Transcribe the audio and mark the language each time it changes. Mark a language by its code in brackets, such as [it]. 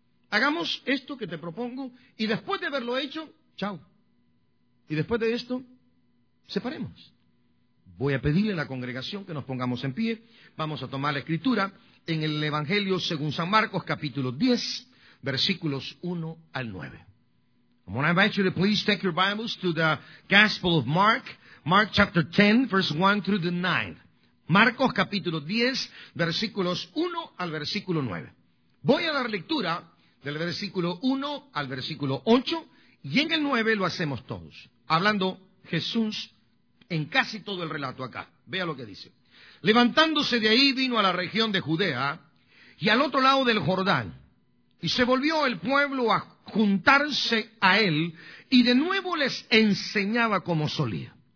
[es] Hagamos esto que te propongo y después de haberlo hecho, chao. Y después de esto, separemos. Voy a pedirle a la congregación que nos pongamos en pie. Vamos a tomar la escritura en el Evangelio según San Marcos, capítulo 10, versículos 1 al 9. [en] I'm going to invite you to please take your Bibles to the Gospel of Mark, Mark chapter 10, verse 1 through the 9. [es] Marcos capítulo 10, versículos 1 al versículo 9. Voy a dar lectura del versículo 1 al versículo 8 y en el 9 lo hacemos todos, hablando Jesús en casi todo el relato acá. Vea lo que dice. Levantándose de ahí vino a la región de Judea y al otro lado del Jordán, y se volvió el pueblo a juntarse a él, y de nuevo les enseñaba como solía.